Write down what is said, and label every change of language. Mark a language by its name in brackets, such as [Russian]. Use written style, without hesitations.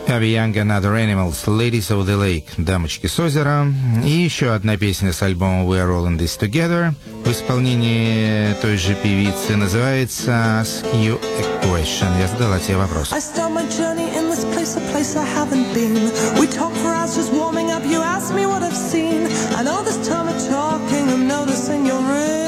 [Russian] Young and Other Animals, Ladies of the Lake, Дамочки с озера. И еще одна песня с альбома We Are All In This Together в исполнении той же певицы называется Ask You A Question. Я задала тебе вопрос. [English] I start my journey in this place, a place I haven't been. We talk for hours just warming up, you ask me what I've seen. And all this time of talking, I'm noticing your ring.